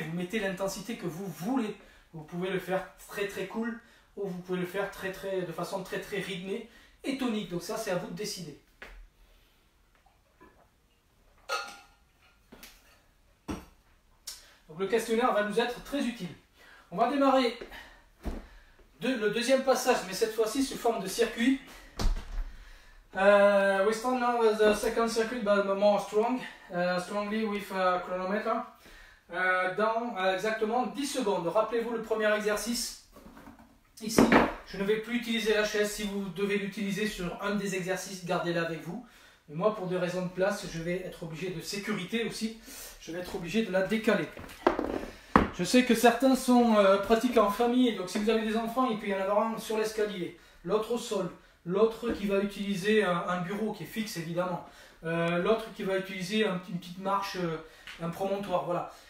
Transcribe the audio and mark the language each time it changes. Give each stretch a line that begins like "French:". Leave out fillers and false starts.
French: Vous mettez l'intensité que vous voulez, vous pouvez le faire très très cool ou vous pouvez le faire de façon très très rythmée et tonique. Donc ça c'est à vous de décider. Donc le questionnaire va nous être très utile. On va démarrer le deuxième passage, mais cette fois-ci sous forme de circuit.
English: We stand now with the second circuit, but more strongly with a chronometer.
French: Dans exactement 10 secondes. Rappelez-vous le premier exercice. Ici, je ne vais plus utiliser la chaise. Si vous devez l'utiliser sur un des exercices, gardez-la avec vous. Mais moi, pour des raisons de place, je vais être obligé de sécurité aussi. Je vais être obligé de la décaler. Je sais que certains sont pratiques en famille, donc si vous avez des enfants, il peut y en avoir un sur l'escalier, l'autre au sol, l'autre qui va utiliser un bureau qui est fixe évidemment, l'autre qui va utiliser une petite marche, un promontoire, voilà.